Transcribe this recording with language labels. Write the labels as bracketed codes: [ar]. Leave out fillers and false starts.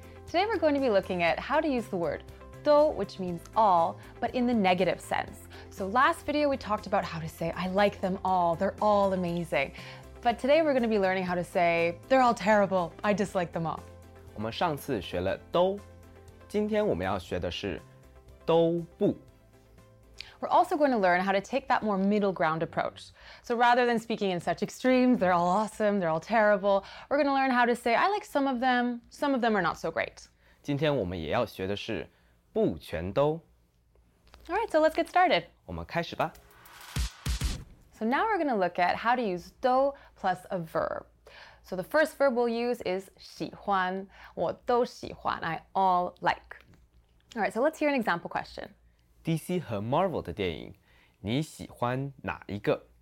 [en] Today we're going to be looking at how to use the word 都, which means all, but in the negative sense. So last video we talked about how to say, I like them all, they're all amazing. But today we're going to be learning how to say, they're all terrible, I dislike them all. [zh] 我们上次学了都,今天我们要学的是都不。 [en] We're also going to learn how to take that more middle ground approach. So rather than speaking in such extremes, they're all awesome, they're all terrible, we're going to learn how to say, I like some of them are not so great. [zh] 今天我们也要学的是不全都。 [en] All right, so let's get started. [zh] 我们开始吧。 [en] So now we're going to look at how to use 都 plus a verb. So the first verb we'll use is 喜欢。 [zh] 我都喜欢。 [en] I all like. All right, so let's hear an example question. [zh] DC 和 Marvel 的电影,你喜欢哪一个?